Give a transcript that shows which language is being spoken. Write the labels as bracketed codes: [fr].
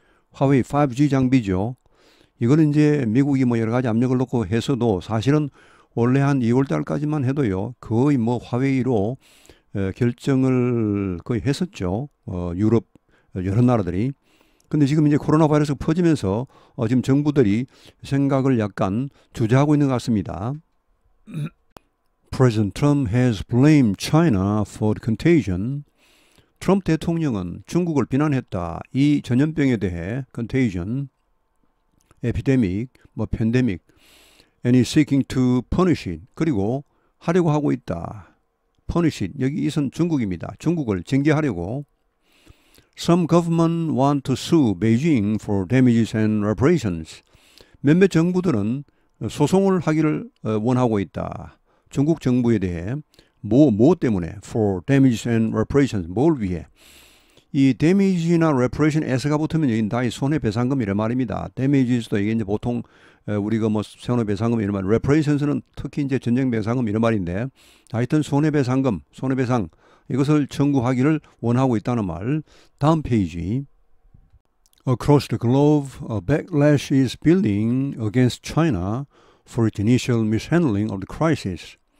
[ko] 화웨이 5G 장비죠. 이거는 이제 미국이 뭐 여러 가지 압력을 놓고 해서도 사실은 원래 한 2월 달까지만 해도요. 거의 뭐 화웨이로 결정을 거의 했었죠. 유럽 여러 나라들이. 근데 지금 이제 코로나 바이러스가 퍼지면서 지금 정부들이 생각을 약간 주저하고 있는 것 같습니다. [en] President Trump has blamed China for the contagion. [ko] 트럼프 대통령은 중국을 비난했다. 이 전염병에 대해 [en] contagion, epidemic, 뭐 pandemic, and is seeking to punish it. [ko] 그리고 하려고 하고 있다. [en] Punish it. [ko] 여기 이선 중국입니다. 중국을 징계하려고. [en] Some government want to sue Beijing for damages and reparations. [ko] 몇몇 정부들은 소송을 하기를 원하고 있다. 중국 정부에 대해 뭐 때문에 [en] for damages and reparations [ko] 뭘 위해 이 damage나 reparation s가 붙으면 여기는 다 손해배상금 이런 말입니다. damages도 이게 이제 보통 우리가 뭐 손해배상금 이런 말 reparations는 특히 이제 전쟁배상금 이런 말인데 하여튼 손해배상금 손해배상 이것을 청구하기를 원하고 있다는 말 다음 페이지 [en] Across the globe a backlash is building against China for its initial mishandling of the crisis.